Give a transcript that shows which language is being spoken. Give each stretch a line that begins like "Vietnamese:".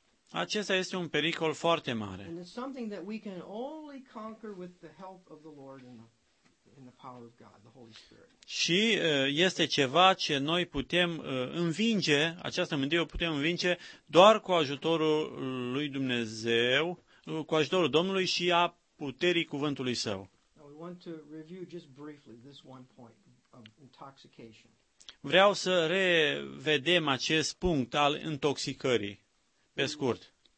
Romanian: Acesta este un pericol foarte mare.
English: And it's something that we can only conquer with the help of the Lord and the power of God, the Holy Spirit.
Romanian: Și este ceva ce noi putem învinge, această mândrie o putem învinge doar cu ajutorul lui Dumnezeu, cu ajutorul Domnului și a puterii cuvântului Său.
English: I want to review just briefly this one point of intoxication.
Romanian: Vreau să revedem acest punct al intoxicării, pe scurt.